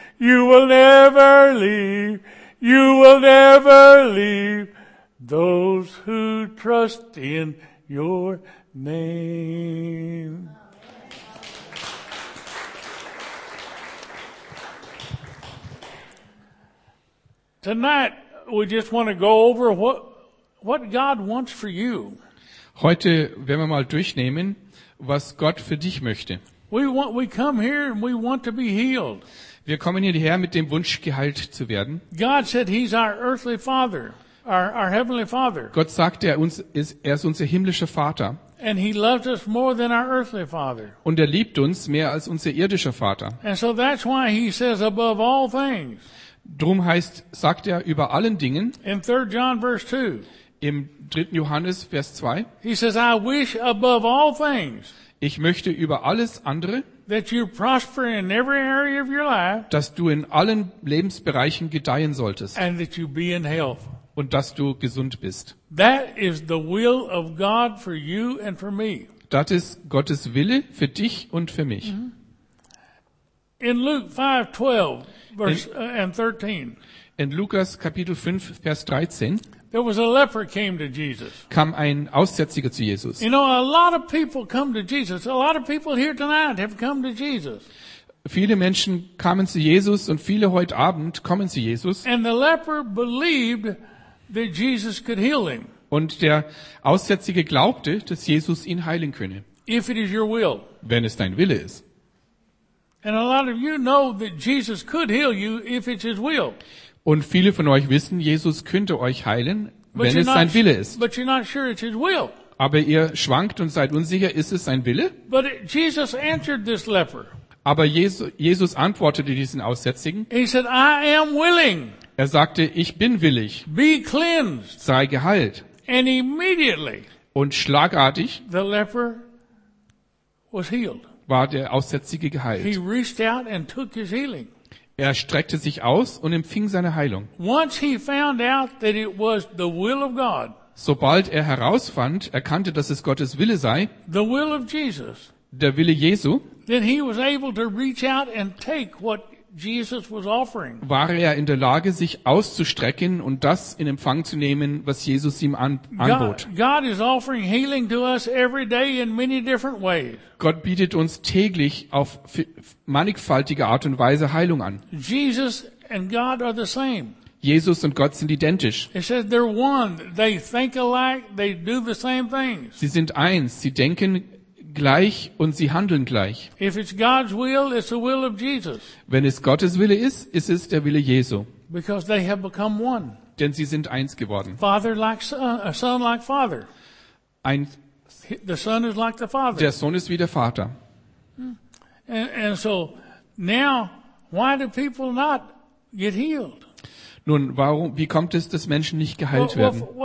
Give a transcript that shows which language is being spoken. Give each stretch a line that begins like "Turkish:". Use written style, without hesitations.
English: You will never leave. You will never leave those who trust in your name. Tonight, we just want to go over what God wants for you.
German: Heute werden wir mal durchnehmen, was Gott für dich möchte.
English: We come here and we want to be healed.
German: Wir kommen hierher mit dem Wunsch, geheilt zu werden.
English: God said he's our earthly father, our heavenly father.
German: Gott sagt, er ist unser himmlischer Vater.
English: And he loves us more than our earthly father.
German: Und er liebt uns mehr als unser irdischer Vater.
English: And so that's why he says above all things.
German: Drum heißt, sagt er über allen Dingen.
English: In 3 John verse 2.
German: Im 3. Johannes Vers 2.
English: He says, I wish above all things.
German: Ich möchte über alles andere,
English: that you prosper in every area of your life,
German: dass du in allen Lebensbereichen gedeihen solltest,
English: and that you be in health,
German: und dass du gesund bist.
English: That is the will of God for you and for me.
German: Das ist Gottes Wille für dich und für mich.
English: Mm-hmm. In Luke 5:12 and 13.
German: In Lukas Kapitel 5 Vers 13.
English: There was a leper came to Jesus.
German: Kam ein Aussätziger zu Jesus.
English: You know, a lot of people come to Jesus. A lot of people here tonight have come to Jesus.
German: Viele Menschen kamen zu Jesus und viele heute Abend kommen zu Jesus.
English: And the leper believed that Jesus could heal him.
German: Und der Aussätzige glaubte, dass Jesus ihn heilen könne.
English: If it is your will.
German: Wenn es dein Wille ist.
English: And a lot of you know that Jesus could heal you if it's his will.
German: Und viele von euch wissen, Jesus könnte euch heilen, wenn es sein Wille ist.
English: But you're not sure it's his will.
German: Aber ihr schwankt und seid unsicher, ist es sein Wille?
English: But Jesus answered this leper.
German: Aber Jesus antwortete diesen Aussätzigen.
English: He said, I am willing.
German: Er sagte, ich bin willig.
English: Be cleansed.
German: Sei geheilt.
English: And immediately,
German: und schlagartig,
English: the leper was healed.
German: War der Aussätzige geheilt.
English: He reached out and took his healing.
German: Er streckte sich aus und empfing seine Heilung.
English: Once he found out that it was the will of God,
German: sobald er herausfand, erkannte, dass es Gottes Wille sei,
English: the will of Jesus,
German: der Wille Jesu,
English: then he was able to reach out and take what Jesus was offering.
German: War er in der Lage, sich auszustrecken und das in Empfang zu nehmen, was Jesus ihm anbot.
English: God is offering healing to us every day in many different ways.
German: Gott bietet uns täglich auf mannigfaltige Art und Weise Heilung an.
English: Jesus and God are the same.
German: Jesus und Gott sind identisch.
English: It says they're one. They think alike. They do the same things.
German: Sie sind eins. Sie denken gleich und sie handeln gleich.
English: If it's God's will, it's the will of Jesus.
German: Wenn es Gottes Wille ist, ist es der Wille Jesu.
English: Because they have become one.
German: Denn sie sind eins geworden.
English: Father like son, a son like father. The son is like the father.
German: Der Sohn ist wie der Vater.
English: And so now, why do people not get healed?
German: Nun, wie kommt es, dass Menschen nicht geheilt werden?